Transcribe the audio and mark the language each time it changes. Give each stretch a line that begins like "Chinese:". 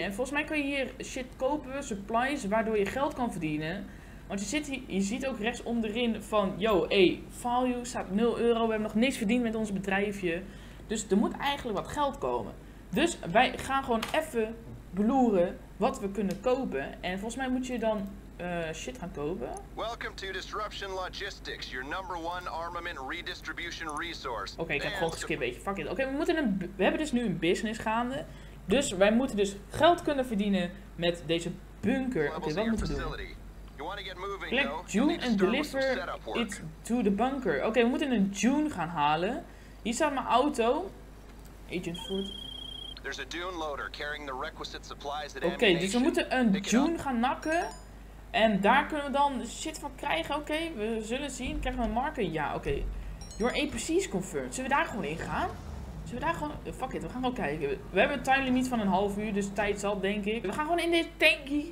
Dutch: En volgens mij kan je hier shit kopen, supplies, waardoor je geld kan verdienen. Want je ziet ook rechts onderin van, yo, hey, value staat 0 euro. We hebben nog niks verdiend met ons bedrijfje. Dus er moet eigenlijk wat geld komen. Dus wij gaan gewoon even beloeren wat we kunnen kopen. En volgens mij moet je dan shit gaan kopen.
English: Welcome to Disruption Logistics, your number one armament redistribution resource.
Dutch: Oké, ik heb gewoon geskipt een beetje. Fuck it. Oké, we hebben dus nu een business gaande. Dus wij moeten dus geld kunnen verdienen met deze bunker. Oké, wat moeten we doen?
English: Click June and deliver it to the bunker.
Dutch: Oké, we moeten een June gaan halen. Hier staat mijn auto. Agent Ford.
English: There's a dune loader carrying the requisite supplies that
Dutch: Okay, dus we moeten een dune gaan nakken. En daar kunnen we dan shit van krijgen. Oké, we zullen zien. Krijgen we een marker? Ja, oké.
English: Your APC is confirmed.
Dutch: Zullen we daar gewoon in gaan? Zullen we daar gewoon... Fuck it, we gaan gewoon kijken. We hebben een time limit van een half uur, dus tijd zal, denk ik. We gaan gewoon in dit tankie.